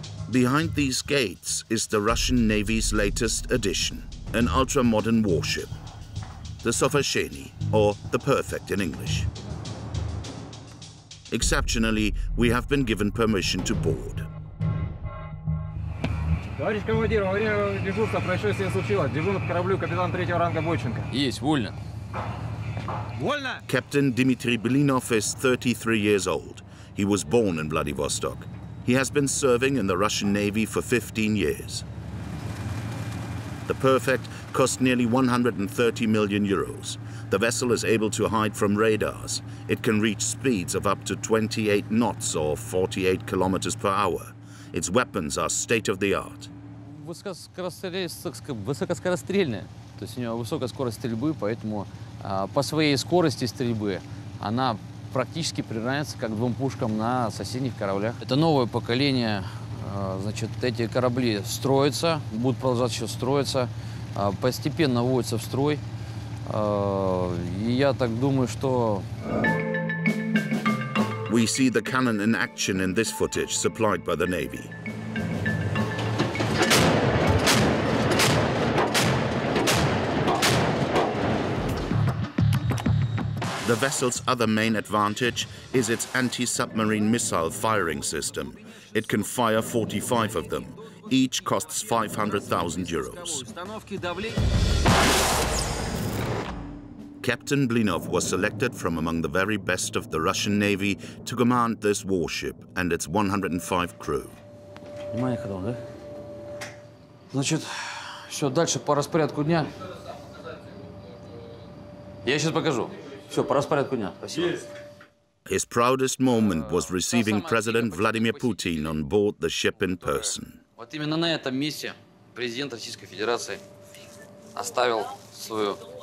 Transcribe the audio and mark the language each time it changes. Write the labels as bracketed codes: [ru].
[en] Behind these gates is the Russian Navy's latest addition, an ultra-modern warship, the Sofosheny, or the Perfect in English. Exceptionally, we have been given permission to board. [ru] Товарищ командир, во время дежурства происшествие случилось. Дежурный по кораблю, капитан третьего ранга Бойченко. Есть, вольно. Вольно! [en] Captain Dmitry Blinov is 33 years old. He was born in Vladivostok. He has been serving in the Russian Navy for 15 years. The Perfect cost nearly 130 million euros. The vessel is able to hide from radars. It can reach speeds of up to 28 knots or 48 kilometers per hour. Its weapons are state of the art. [ru] Высокоскорострельная. То есть у него высокая скорость стрельбы, поэтому по своей скорости стрельбы она практически приравнивается как двум пушкам на соседних кораблях. Это новое поколение, значит, эти корабли строятся, будут продолжать еще строиться, постепенно вводятся в строй. И я так думаю, что [en] we see the cannon in action in this footage supplied by the Navy. The vessel's other main advantage is its anti-submarine missile firing system. It can fire 45 of them. Each costs 500,000 euros. Captain Blinov was selected from among the very best of the Russian Navy to command this warship and its 105 crew. [ru] Внимание, ходом, да? Значит, все, дальше по распорядку дня. Я сейчас покажу. Все, по распорядку дня. Спасибо. [en] His proudest moment was receiving President Vladimir Putin on board the ship in person. [ru] Вот именно на этом месте президент Российской Федерации оставил свою...